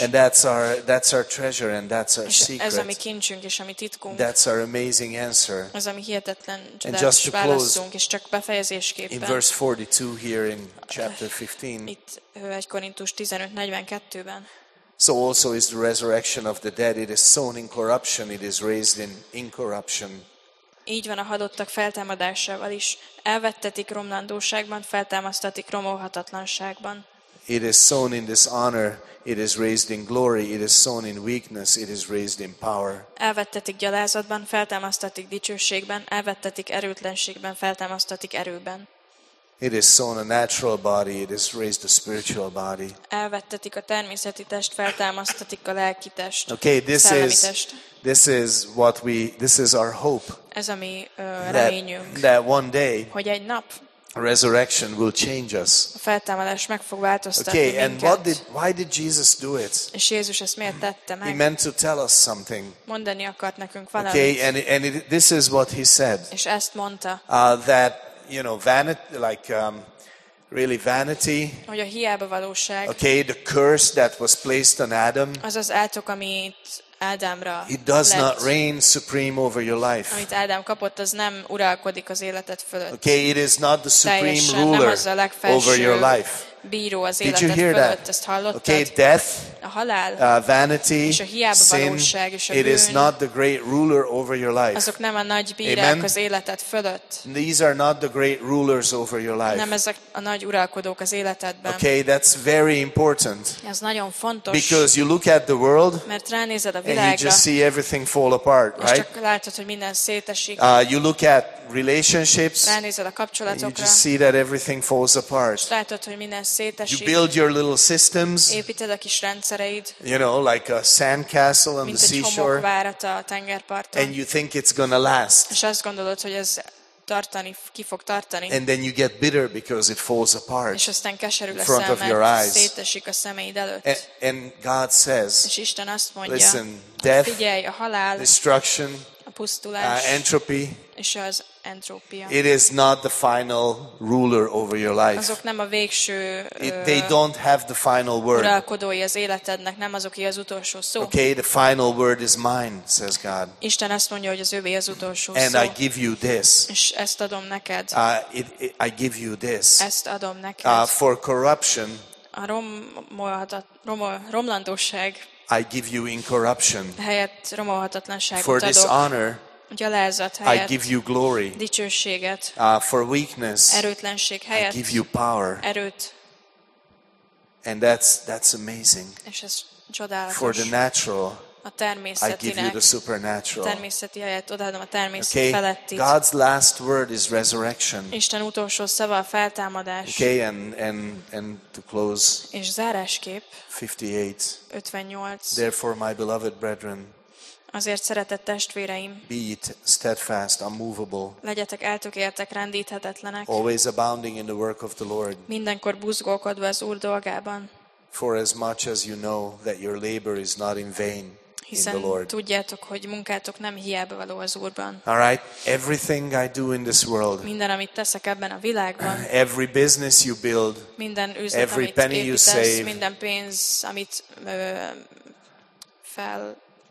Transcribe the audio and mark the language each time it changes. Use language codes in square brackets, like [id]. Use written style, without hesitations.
[en] And that's our treasure and that's our secret. [hu] Ez a mi kincsünk és a mi titkunk. [en] That's our amazing answer. [hu] Ez a mi hihetetlen válaszunk, és csak befejezésképpen. [en] In verse 42 here in chapter 15. [hu] Itt 1 Korintus 15:42-ben. [en] So also is the resurrection of the dead. It is sown in corruption. It is raised in incorruption. [hu] Így van a halottak feltámadásával is. Elvettetik romlandóságban, feltámasztatik romolhatatlanságban. [en] It is sown in dishonor, it is raised in glory, it is sown in weakness, it is raised in power. [hu] Elvettetik gyalázatban, feltámasztatik dicsőségben, elvettetik erőtlenségben, feltámasztatik erőben. [en] It is sown a natural body, it is raised a spiritual body. [hu] Elvettetik a természeti test, feltámasztatik a lelki test. [en] Okay, this is our hope. [hu] Ez a mi reményünk. [en] That one day, [hu] hogy egy nap, [en] Resurrection will change us. [hu] A feltámadás meg fog változtatni [en] okay, [hu] minket. [en] And what did, why did Jesus do it? [hu] És Jézus ezt miért tette meg? [en] He meant to tell us something. [hu] Mondani akart nekünk valamit. [en] Okay, and this is what he said. [hu] És ezt mondta. [en] That you know, vanity, like really vanity. [hu] Hogy a hiába valóság. [en] Okay, the curse that was placed on Adam. [hu] Az az átok, amit Ádámra lett. [en] It does not reign supreme over your life. [hu] Amit Ádám kapott, az nem uralkodik az életed fölött. [en] Okay, it is not the supreme ruler over your life. [hu] Bíró az életed fölött, ezt hallottad? [en] Okay, death, [hu] a halál, [en] vanity, [hu] és a hiába [en] sin, [hu] valóság, és a [en] it [hu] bűn, [en] is not the great ruler over your life. [hu] Azok nem a nagy bírák az életed fölött. [en] These are not the great rulers over your life. [hu] Nem ezek a nagy uralkodók az életedben. [en] Okay, that's very important. [hu] Ez nagyon fontos. [en] Because you look at the world, [hu] mert ránézed a világra, [en] and you just see everything fall apart, right? [hu] És csak látod, hogy minden szétesik. [en] You look at relationships, [hu] ránézed a kapcsolatokra, [en] and you just see that everything falls apart. [hu] És látod, hogy minden [en] you build your little systems, [hu] építed a kis rendszereid, [en] you know, like a sandcastle on the seashore, [hu] mint egy homokvárat a tengerparton, [en] and you think it's gonna last. [hu] És azt gondolod, hogy ez tartani, ki fog tartani. [en] And then you get bitter because it falls apart [hu] és aztán keserül [en] in front [hu] a szem, [en] of your eyes. [hu] Szétesik a szemeid előtt. [en] And God says, [hu] és Isten azt mondja, [en] listen, death, [hu] figyelj, a halál, [en] destruction, [hu] a pusztulás, [en] entropy, [hu] és az entropia. [en] It is not the final ruler over your life. [hu] Azok nem a végső. [en] It, they don't have the final word. [hu] Uralkodói az életednek, nem azok, aki az utolsó szó. [en] Okay, the final word is mine, says God. [hu] Isten azt mondja, hogy az övé az utolsó [en] and [hu] szó. [en] And I give you this. [hu] És ezt adom neked. [en] I give you this. [hu] Ezt adom neked. [en] For corruption. [hu] A romlandóság. [en] I give you incorruption. [hu] Helyett romolhatatlanságot [en] for [hu] adok. [en] Dishonor. [hu] Helyett, [en] I give you glory. [hu] Dicsőséget. [en] For weakness. [hu] Erőtlenség helyett. [en] I give you power. [hu] Erőt. [en] And that's amazing. [hu] És ez csodálatos. [en] For the natural. [hu] A természetinek. [en] I give you the supernatural. [hu] A természeti helyett odaadom a természet [en] okay. [hu] Felettit. [en] God's last word is resurrection. [hu] Isten utolsó szava a feltámadás. [en] Okay, and to close. [hu] És zárásképp. [en] 58. [hu] 58. [en] Therefore, my beloved brethren. [hu] Azért szeretett testvéreim, [en] be it steadfast, unmovable, [hu] legyetek eltökéltek, rendíthetetlenek, [en] always abounding in the work of the Lord, [hu] mindenkor buzgókodva az Úr dolgában, [en] for as much as you know that your labor is not in vain in the Lord. [hu] Hiszen tudjátok, hogy munkátok nem hiába való az Úrban. [en] All right, everything I do in this world, [hu] minden amit teszek ebben a világban, [en] every business you build, [hu] minden üzlet, [en] every [hu] amit [en] penny [hu] építesz, [en] you save, [hu] minden pénz, amit fel